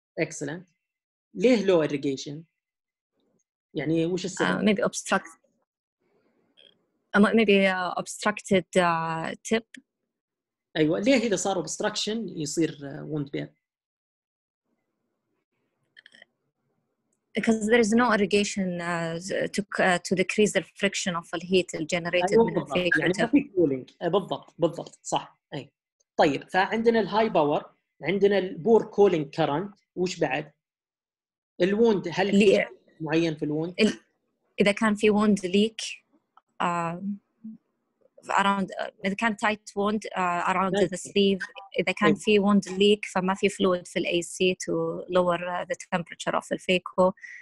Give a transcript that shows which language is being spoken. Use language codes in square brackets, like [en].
[ar] Excellent. ليه [en] low irrigation؟ [ar] يعني وش السبب؟ [en] Maybe obstructed tip. [ar] أيوة ليه إذا صار obstruction يصير wound bear؟ [en] because there is no irrigation to decrease the friction of the heat generated. [ar] أيوة بالضبط. يعني في cooling. بالضبط صح. أي طيب فعندنا ال high power، عندنا ال poor cooling current، وش بعد ال wound؟ هل في معين في ال wound؟ إذا كان في [en] wound leak around إذا كان tight wound around the sleeve، إذا كان في wound leak [ar] فما في [en] fluid في the AC to lower the temperature of the fecal.